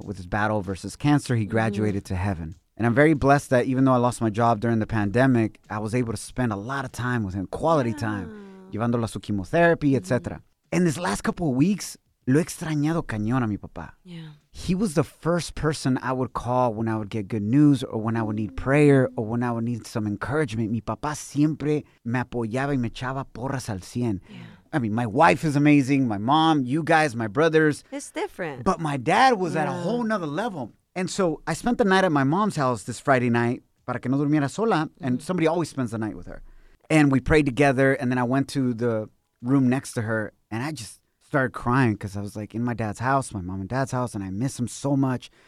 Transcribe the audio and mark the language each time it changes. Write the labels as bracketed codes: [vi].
[en] With his battle versus cancer, he graduated to heaven. And I'm very blessed that even though I lost my job during the pandemic, I was able to spend a lot of time with him, quality time, [es] llevándolo a su quimioterapia, etc. [en] And this last couple of weeks, [es] lo he extrañado cañón a mi papá. [en] Yeah. He was the first person I would call when I would get good news or when I would need prayer or when I would need some encouragement. [es] Mi papá siempre me apoyaba y me echaba porras al cien. [en] Yeah. I mean, my wife is amazing, my mom, you guys, my brothers. It's different. But my dad was at a whole nother level. And so I spent the night at my mom's house this Friday night, [es] para que no durmiera sola, [en] and somebody always spends the night with her. And we prayed together, and then I went to the room next to her, and I just started crying because I was like in my dad's house, my mom and dad's house, and I miss him so much.